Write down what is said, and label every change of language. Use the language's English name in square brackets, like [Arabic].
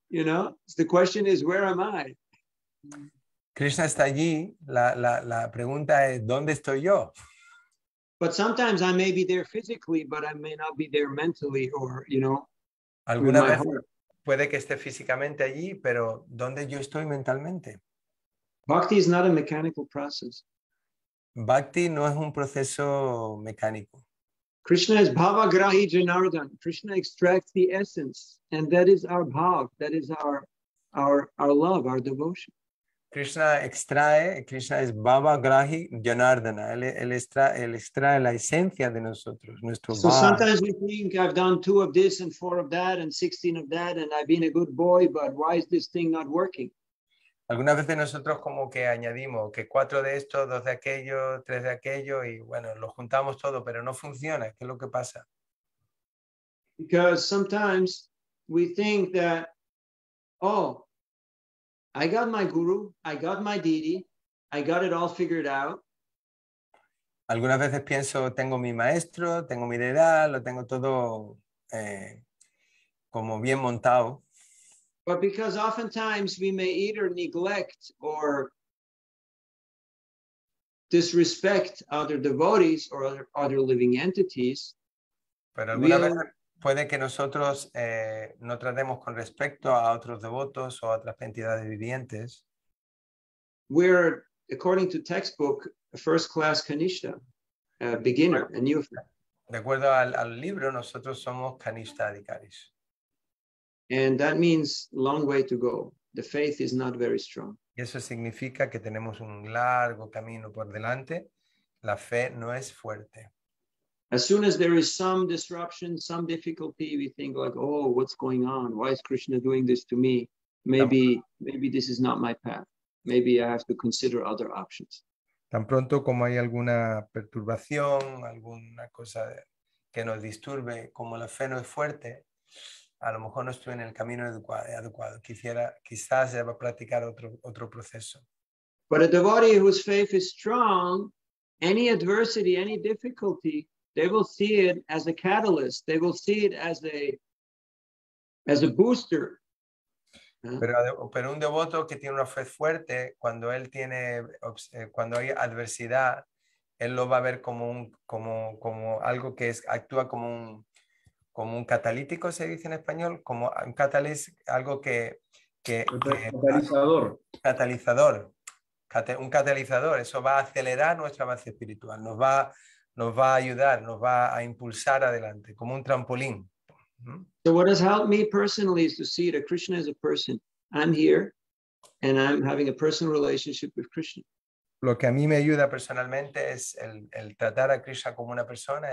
[English] You know, so the question is, where am I? [Spanish] Krishna está allí. La pregunta es, ¿dónde estoy yo? [English] But sometimes I may be there physically, but I may not be there mentally, or, you know. [Spanish] Alguna vez puede que esté físicamente allí, pero ¿dónde yo estoy mentalmente? [English] Bhakti is not a mechanical process. [Spanish] Bhakti no es un proceso mecánico. [English] Krishna is Bhava Grahi Janardhan. Krishna extracts the essence, and that is our bhav, that is our love, our devotion. [Spanish] Krishna extrae, Krishna es Baba Grahi Janardana. Él extrae la esencia de nosotros, nuestro [English] Baba. So sometimes we think I've done 2 of this and 4 of that and 16 of that and I've been a good boy, but why is this thing not working? [Spanish] Algunas veces nosotros como que añadimos que 4 de esto, 2 de aquello, 3 de aquello y bueno, lo juntamos todo, pero no funciona. ¿Qué es lo que pasa? [English] Because sometimes we think that, oh, I got my guru, I got my deity, I got it all figured out. [Spanish] Algunas veces pienso, tengo mi maestro, tengo mi deidad, lo tengo todo como bien montado. [English] But because oftentimes we may either neglect or disrespect other devotees or other living entities. [Spanish] Pero alguna vez puede que nosotros no tratemos con respecto a otros devotos o a otras entidades vivientes. [English] We're, according to textbook, a first class kanishta, a beginner, a new. [Spanish] De acuerdo al libro, nosotros somos kanishta adhikaris. [English] And that means long way to go. The faith is not very strong. [Spanish] Y eso significa que tenemos un largo camino por delante. La fe no es fuerte. [English] As soon as there is some disruption, some difficulty, we think like, oh, what's going on? Why is Krishna doing this to me? Maybe this is not my path. Maybe I have to consider other options. [Spanish] Tan pronto como hay alguna perturbación, alguna cosa que nos disturbe, como la fe no es fuerte, a lo mejor no estoy en el camino adecuado. Quizás deba practicar otro proceso. [English] But a devotee whose faith is strong, any adversity, any difficulty, they will see it as a catalyst. They will see it as a booster. [Spanish] Pero un devoto que tiene una fe fuerte, cuando hay adversidad, él lo va a ver como algo que es actúa como un catalítico, se dice en español, como un catalis, algo que catalizador. Un catalizador. Eso va a acelerar nuestro avance espiritual. Nos va a ayudar, nos va a impulsar adelante, como un trampolín. [English] So what has helped me personally is to see that Krishna is a person. I'm here and I'm having a personal relationship with Krishna. [Spanish] Lo que a mí me ayuda personalmente es el tratar a Krishna como una persona.